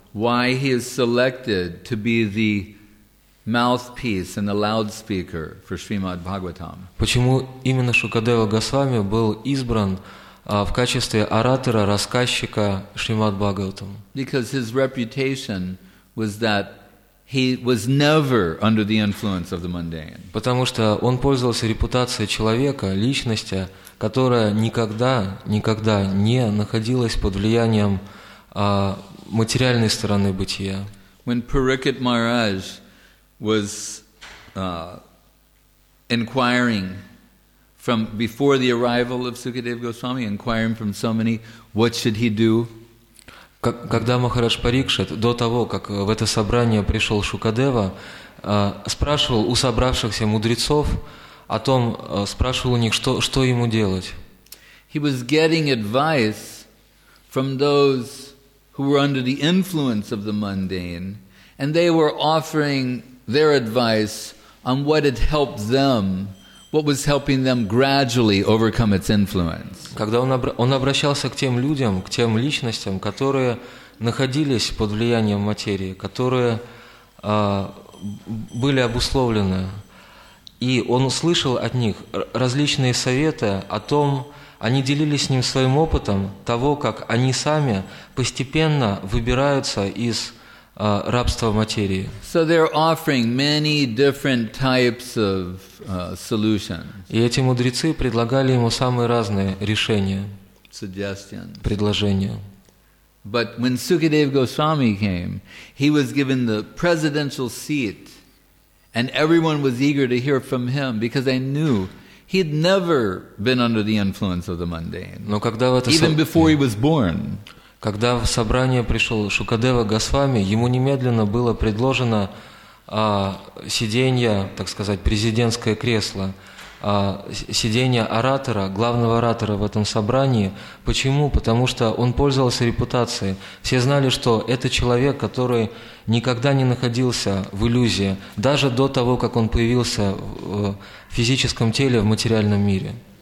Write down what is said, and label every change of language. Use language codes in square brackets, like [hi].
[en] Why he is selected to be the mouthpiece and the loudspeaker for Srimad Bhagavatam? [ru] Почему именно Шукадева Госвами был избран в качестве оратора, рассказчика Шримад Бхагаватам? [en] Because his reputation was that he was never under the influence of the mundane. [ru] Потому что он пользовался репутацией человека, личности, которая никогда не находилась под влиянием материальной стороны бытия. [en] When Parikshit Maharaj was inquiring from before the arrival of Sukadeva Goswami, inquiring from so many, what should he do? [ru] Когда Махарадж Парикшит, до того, как в это собрание пришел Шукадева, спрашивал у собравшихся мудрецов о том, спрашивал у них, что ему делать. [en] He was getting advice from those who were under the influence of the mundane, and they were offering their advice on what had helped them, what was helping them gradually overcome its influence. [ru] Когда он обращался к тем людям, к тем личностям, которые находились под влиянием материи, которые были обусловлены, и он услышал от них различные советы о том, они делились с ним своим опытом того, как они сами постепенно выбираются из рабство материи. [en] So they're offering many different types of solutions. [ru] И эти мудрецы предлагали ему самые разные решения, [en] suggestions, [ru] предложения. [en] But when Sukadeva Goswami came, he was given the presidential seat, and everyone was eager to hear from him because they knew he'd never been under the influence of the mundane. [ru] Но когда в это [en] even before he was born. [ru] Когда в собрание пришел Шукадева Госвами, ему немедленно было предложено сиденье, так сказать, президентское кресло, сиденье оратора, главного оратора в этом собрании. Почему? Потому что он пользовался репутацией. Все знали, что это человек, который никогда не находился в иллюзии, даже до того, как он появился в физическом теле, в материальном мире.